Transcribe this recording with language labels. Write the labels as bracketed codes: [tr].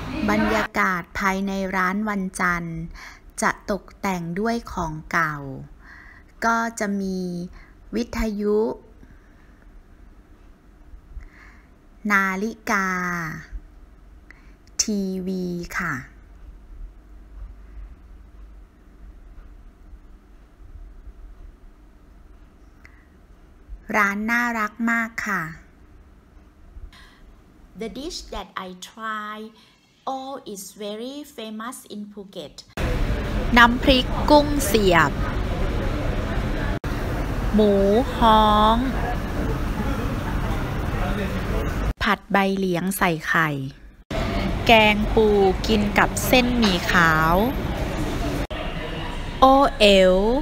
[th] บรรยากาศภายในร้านวันจันทร์จะตกแต่งด้วยของเก่าก็จะมีวิทยุนาฬิกาทีวีค่ะร้านน่ารักมากค่ะ [en] The dish that I try all is very famous in Phuket [th] น้ำพริกกุ้งเสียบหมูฮ้องผัดใบเหลียงใส่ไข่แกงปูกินกับเส้นหมี่ขาวโอเอ๋ว